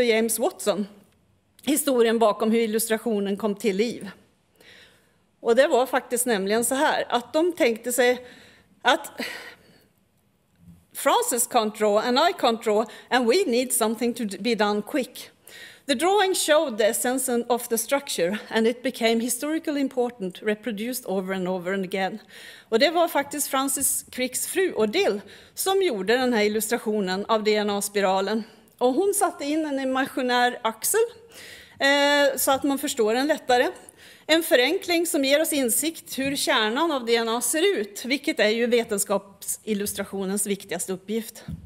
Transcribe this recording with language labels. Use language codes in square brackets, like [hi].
[sv] James Watson historien bakom hur illustrationen kom till liv. Och det var faktiskt nämligen så här att de tänkte sig att [en] Francis can't draw and I can't draw and we need something to be done quick. The drawing showed the essence of the structure and it became historically important, reproduced over and over and again. [sv] Och det var faktiskt Francis Cricks fru Odile som gjorde den här illustrationen av DNA-spiralen. Och hon satte in en imaginär axel så att man förstår den lättare. En förenkling som ger oss insikt hur kärnan av DNA ser ut, vilket är ju vetenskapsillustrationens viktigaste uppgift.